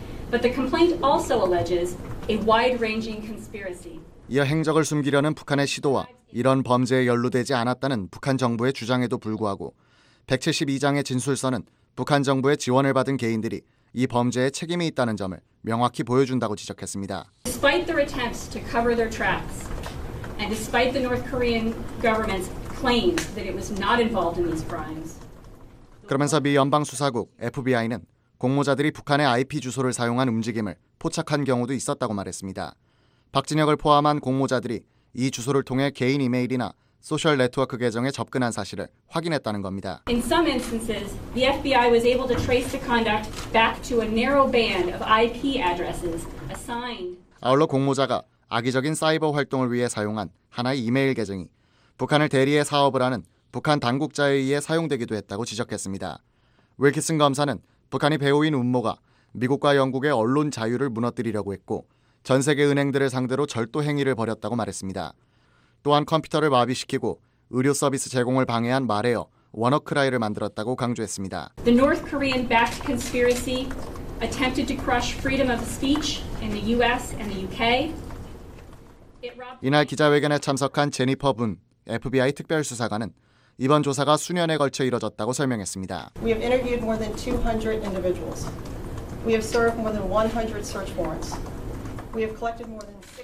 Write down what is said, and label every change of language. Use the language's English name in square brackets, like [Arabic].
[English] But the complaint also alleges a wide-ranging conspiracy. [Korean] 이어 행적을 숨기려는 북한의 시도와 이런 범죄에 연루되지 않았다는 북한 정부의 주장에도 불구하고 172장의 진술서는 북한 정부의 지원을 받은 개인들이 이 범죄에 책임이 있다는 점을 명확히 보여준다고 지적했습니다. [English] Despite their attempts to cover their tracks and despite the North Korean government's claims that it was not involved in these crimes. [Korean] 그러면서 미 연방 수사국 FBI는 공모자들이 북한의 IP 주소를 사용한 움직임을 포착한 경우도 있었다고 말했습니다. 박진혁을 포함한 공모자들이 이 주소를 통해 개인 이메일이나 소셜 네트워크 계정에 접근한 사실을 확인했다는 겁니다. [English] In some instances, the FBI was able to trace the conduct back to a narrow band of IP addresses assigned. [Korean] 아울러 공모자가 악의적인 사이버 활동을 위해 사용한 하나의 이메일 계정이 북한을 대리해 사업을 하는 북한 당국자에 의해 사용되기도 했다고 지적했습니다. 윌키슨 검사는 북한이 배후인 음모가 미국과 영국의 언론 자유를 무너뜨리려고 했고 전 세계 은행들을 상대로 절도 행위를 벌였다고 말했습니다. 또한 컴퓨터를 마비시키고 의료 서비스 제공을 방해한 말에어 워너크라이를 만들었다고 강조했습니다. [English] The North Korean-backed conspiracy attempted to crush freedom of speech in the U.S. and the U.K. [Korean] 이날 기자회견에 참석한 제니퍼 분, FBI 특별수사관은 이번 조사가 수년에 걸쳐 이뤄졌다고 설명했습니다. [English] We have interviewed more than 200 individuals. We have served more than 100 search warrants. We have collected more than 600...